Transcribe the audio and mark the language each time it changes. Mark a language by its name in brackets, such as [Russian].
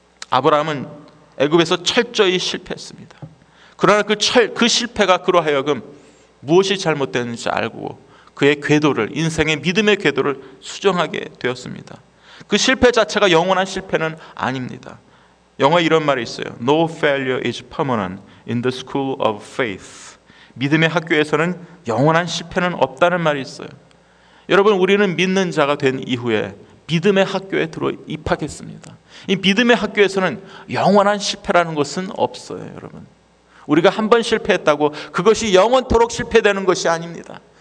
[Korean] 아브라함은 애굽에서 철저히 실패했습니다. 그러나 그 실패가 그로 하여금 무엇이 잘못됐는지 알고 그의 궤도를, 인생의 믿음의 궤도를 수정하게 되었습니다. 그 실패 자체가 영원한 실패는 아닙니다. 영어에 이런 말이 있어요. [English] No failure is permanent in the school of faith. [Korean] 믿음의 학교에서는 영원한 실패는 없다는 말이 있어요. 여러분, 우리는 믿는 자가 된 이후에 믿음의 학교에 들어 입학했습니다. 이 믿음의 학교에서는 영원한 실패라는 것은 없어요, 여러분. 우리가 한번 실패했다고 그것이 영원토록 실패되는 것이 아닙니다.